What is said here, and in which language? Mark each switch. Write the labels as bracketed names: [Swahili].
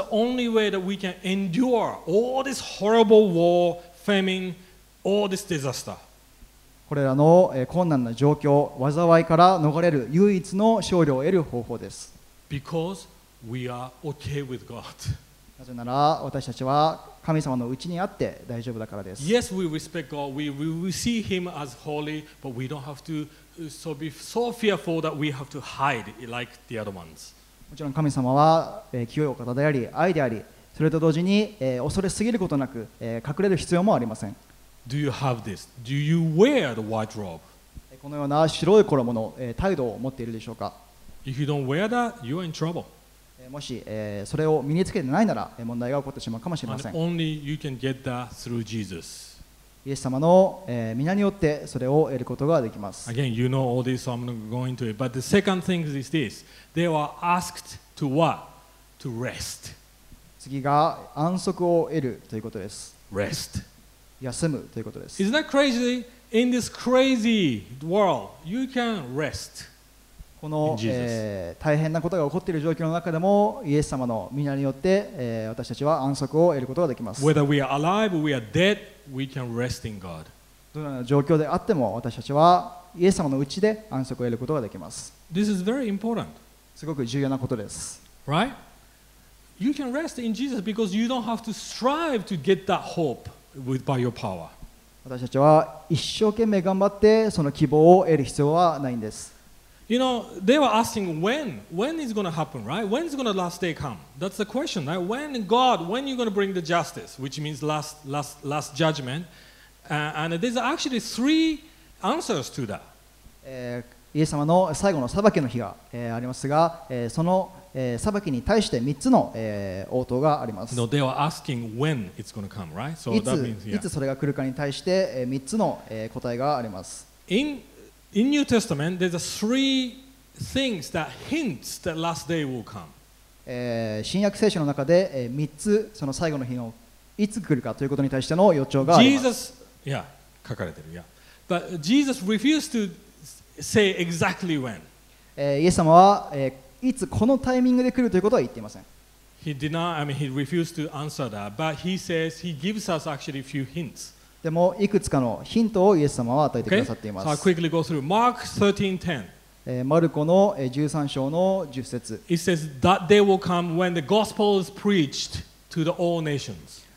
[English] That's the only way that we can endure all this horrible war, famine, all this disaster. [Japanese] これらの、困難な状況、災いから逃れる唯一の勝利を得る方法です。 [English] Because we are okay with God. [Japanese] なぜなら私たちは神様のうちにあって大丈夫だからです。 [English] Yes, we respect God. We see Him as holy, but we don't have to be so fearful that we have to hide like the other ones. [Japanese] もちろん神様は、清いお方であり、愛であり、それと同時に、恐れすぎることなく、隠れる必要もありません。 [English] Do you have this? Do you wear the white robe? [Japanese] このような白い衣の、態度を持っているでしょうか。 [English] If you don't wear that, you're in trouble. [Japanese] もし、それを身につけてないなら、問題が起こってしまうかもしれません。 [English] And only you can get that through Jesus. [Japanese] イエス様の、御名によってそれを得ることができます。 [English] Again, you know all this, so I'm not going to it. But the second thing is this. They were asked to what? To rest. [Japanese] 次が安息を得るということです。 [English] Rest. [Japanese] 休むということです。 [English] Isn't that crazy? In this crazy world, you can rest. [Japanese] この、大変なことが起こっている状況の中でもイエス様の御名によって、私たちは安息を得ることができます。 [English] Whether we are alive or we are dead, we can rest in God. [Japanese] どのような状況であっても私たちはイエス様のうちで安息を得ることができます。 [English] This is very important. [Japanese] すごく重要なことです。 [English] Right? You can rest in Jesus because you don't have to strive to get that hope with, by your power. [Japanese] 私たちは一生懸命頑張ってその希望を得る必要はないんです。 [English] You know, they were asking when is going to happen, right? When is going to last day come? That's the question, right? When God, when you're going to bring the justice, which means last judgment. And there's actually three answers to that. [Japanese] イエス様の最後の裁きの日が、ありますが、その、裁きに対して3つの、応答があります。 [English] No, they were asking when it's going to come, right? So that means, yeah. [Japanese] いつそれが来るかに対して、3つの、答えがあります。 [English] In New Testament, there's three things that hints that last day will come. [Japanese] 新約聖書の中で、3つその最後の日のいつ来るかということに対しての予兆があります。 [English] Jesus, yeah, [Japanese] 書かれてる、 [English] yeah. But Jesus refused to say exactly when. [Japanese] イエス様は、いつこのタイミングで来るということは言っていません。 [English] He refused to answer that, but he says he gives us actually a few hints. [Japanese] でもいくつかのヒントをイエス様は与えてくださっています。 [English] Okay, so I'll quickly go through. Mark 13:10. [Japanese] マルコの13章の10節。 [English] It says that day will come when the gospel is preached to the all nations.